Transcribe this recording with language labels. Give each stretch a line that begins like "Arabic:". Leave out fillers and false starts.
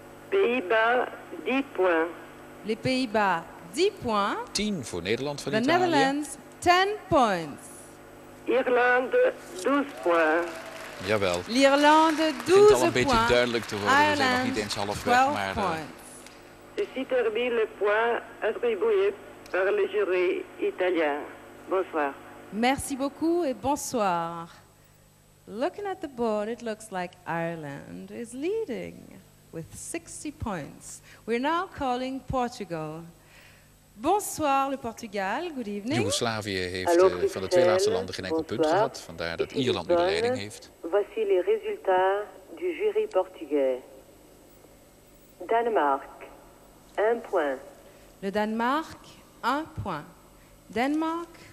French: Pays-Bas, 10 points. Les Pays-Bas, 10 points.
Dutch: 10 voor Nederland van
English: Italië. The Netherlands, 10 points.
French: Irlande, 12 points.
Dutch: Jawel.
French: L'Irlande, 12 points.
Dutch: Het begint al een beetje duidelijk te worden.
English: Ireland,
Dutch: we zijn nog niet eens halfweg, maar...
French: Ceci termine les points attribués par le jury italien. Bonsoir. Merci beaucoup et bonsoir.
English: Looking at the board, it looks like Ireland is leading with 60 points. We're now calling Portugal.
French: Bonsoir, le Portugal.
English: Good evening.
Dutch: Joegoslavië heeft van de twee laatste landen geen enkel punt gehad. Vandaar dat Ierland nu de leiding heeft.
French: Voici les résultats du jury portugais. Danemark, 1 point. Le Danemark, 1 point. Denmark,